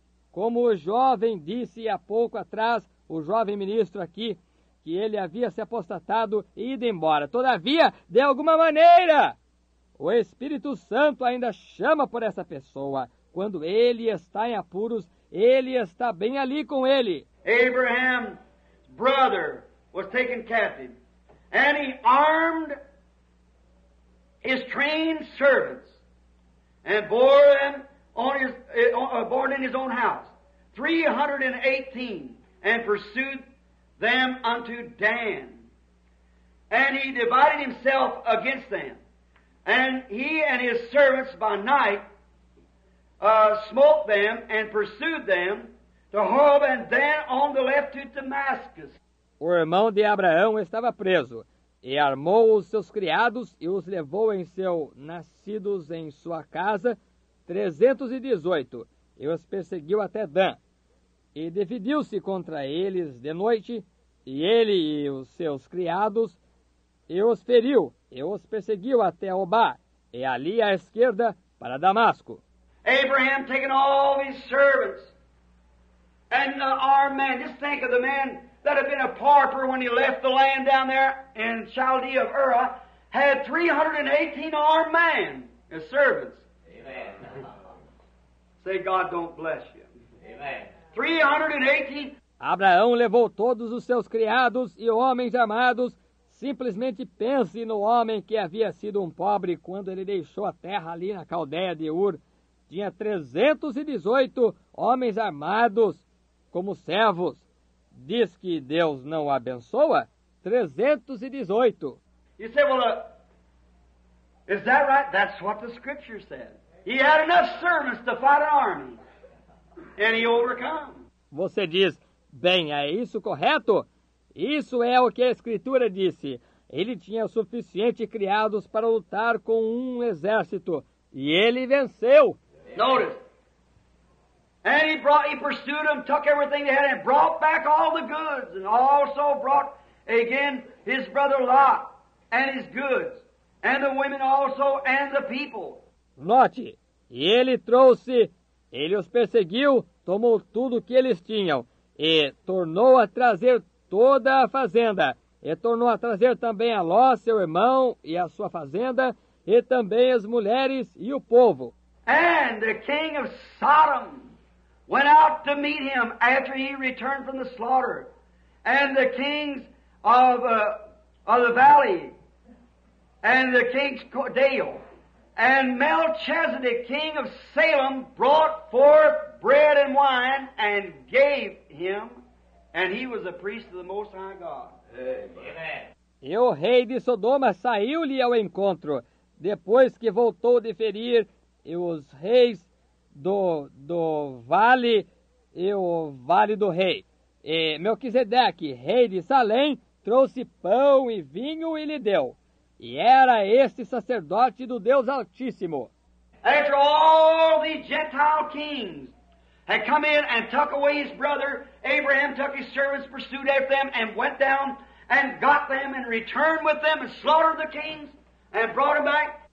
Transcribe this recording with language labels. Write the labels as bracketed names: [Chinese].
[Portuguese] Como o jovem disse há pouco atrás, o jovem ministro aqui, que ele havia se apostatado e ido embora. Todavia, de alguma maneira, o Espírito Santo ainda chama por essa pessoa. Quando ele está em apuros, ele está bem ali com ele. [English] Abraham's brother was taken captive, and he armed his trained servants and bore them on his bore in his own house 318 and pursued them unto Dan. And he divided himself against them, and he and his servants by night smote them and pursued them to Horeb, and then on the left to Damascus. [Portuguese] O irmão de Abraão estava preso, e armou os seus criados e os levou em seu nascidos em sua casa 318, e os perseguiu até Dan. E dividiu-se contra eles de noite, e ele e os seus criados, e os feriu, e os perseguiu até Obá, e ali à esquerda para Damasco. [English] Abraham taking all his servants and armed men. Just think of the man that had been a pauper when he left the land down there in Chaldea of Ur, had 318 armed men as servants. Amen. Say, God don't bless you. Amen. 318. [Portuguese] Abraão levou todos os seus criados e homens armados. Simplesmente pense no homem que havia sido um pobre quando ele deixou a terra ali na Caldeia de Ur. Tinha 318 homens armados como servos. Diz que Deus não o abençoa? 318. [English] You say, well, is that right? That's what the scripture said. He had enough servants to fight an army, and he overcome. [Portuguese] Você diz, bem, é isso correto? Isso é o que a escritura disse. Ele tinha suficiente criados para lutar com um exército, e ele venceu. [English] Notice. And he pursued them, took everything they had, and brought back all the goods, and also brought again his brother Lot and his goods, and the women also, and the people. [Portuguese] Note, e ele trouxe, ele os perseguiu, tomou tudo que eles tinham, e tornou a trazer toda a fazenda, e tornou a trazer também a Ló, seu irmão, e a sua fazenda, e também as mulheres e o povo. [English] And the king of Sodom went out to meet him after he returned from the slaughter. And the kings of the valley, and the king's Dale, and Melchizedek, king of Salem, brought forth bread and wine and gave him, and he was a priest of the Most High God. Amen. [Portuguese] E o rei de Sodoma saiu-lhe ao encontro, depois que voltou de ferir, e os reis do vale e o vale do rei. E Melquisedeque, rei de Salém, trouxe pão e vinho e lhe deu. E era este sacerdote do Deus Altíssimo. [English] After all the Gentile kings had come in and took away his brother, Abraham took his servants, pursued after them, and went down and got them and returned with them and slaughtered the kings and brought them back.